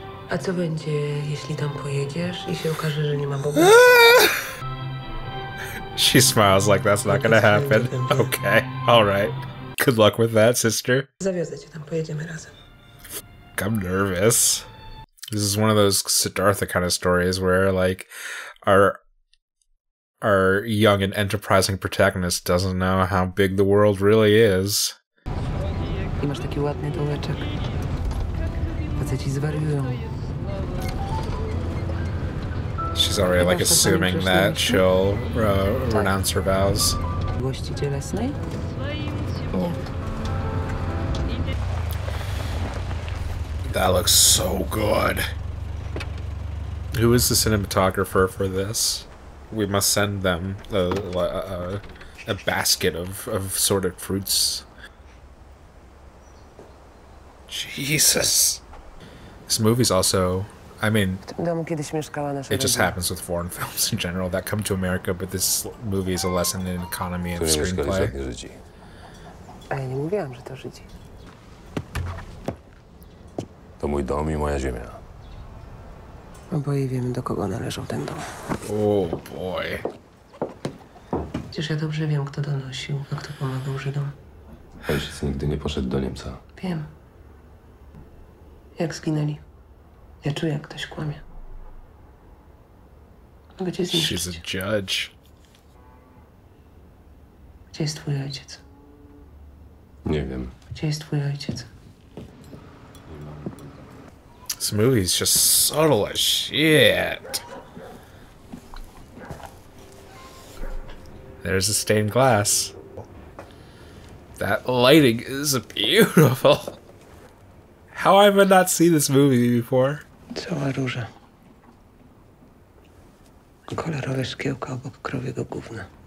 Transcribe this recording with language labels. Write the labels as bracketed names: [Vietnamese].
[Polish] A co będzie, jeśli tam pojedziesz i się okaże, że nie ma Boga? [English] She smiles like that's not gonna happen. Okay, all right. Good luck with that, sister. [Polish] Zawiozę cię tam, pojedziemy razem. [English] I'm nervous. This is one of those Siddhartha kind of stories where, like, our young and enterprising protagonist doesn't know how big the world really is. [Polish] I masz taki ładny dołeczek. Faceci zwariują. [English] She's already like assuming that she'll renounce her vows. [Polish] Miłości cielesnej? [English] That looks so good. Who is the cinematographer for this? We must send them a basket of assorted fruits. Jesus. This movie's also, I mean, it just happens with foreign films in general that come to America, but this movie is a lesson in economy and screenplay. [Polish] A ja nie mówiłam, że to Żydzi. To mój dom i moja ziemia. Oboje wiemy, do kogo należą ten dom. [English] Oh boy. [Polish] Przecież ja dobrze wiem, kto donosił, a kto pomagał Żydom. Ojciec nigdy nie poszedł do Niemca. Wiem. Jak zginęli. Ja czuję, jak ktoś kłamie. Mogę cię zniszczyć. She's a judge. Gdzie jest twój ojciec? Nie wiem. Gdzie jest twój ojciec? [English] This movie is just subtle as shit. There's the stained glass. That lighting is beautiful. How have I not seen this movie before? [Polish] Cała róża. Kolorowe szkiełka obok krowiego gówna.